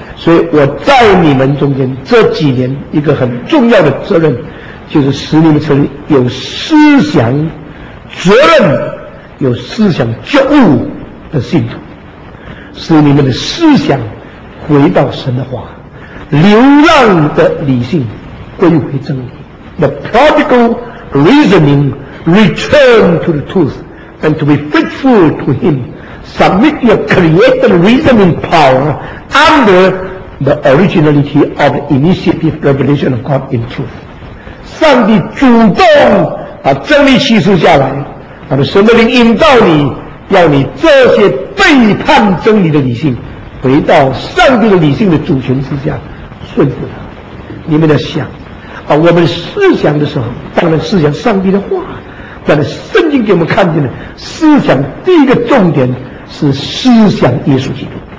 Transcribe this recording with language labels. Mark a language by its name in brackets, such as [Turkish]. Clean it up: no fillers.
[Chinese] 所以我在你们中间这几年一个很重要的责任，就是使你们成有思想责任、有思想觉悟的信徒，使你们的思想回到神的话，流浪的理性归回真理。 [English] The prodigal reasoning return to the truth and to be faithful to him. Submit your created reasoning power under the originality of the initiative revelation of God in truth. [Chinese] 上帝主动把真理启示下来，他的神的灵引导你，要你这些背叛真理的理性回到上帝的理性的主权之下顺服他。你们要想啊，我们思想的时候当然思想上帝的话，但是圣经给我们看见的思想第一个重点是思想耶稣基督。